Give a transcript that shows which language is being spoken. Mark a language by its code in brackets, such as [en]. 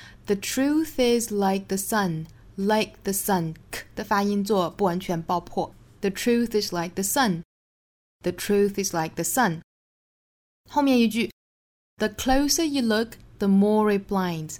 [en] The truth is like the sun, like the sun. [zh] K 的发音做不完全爆破。 [en] The truth is like the sun. The truth is like the sun. [zh] 后面一句 [en] The closer you look, the more it blinds.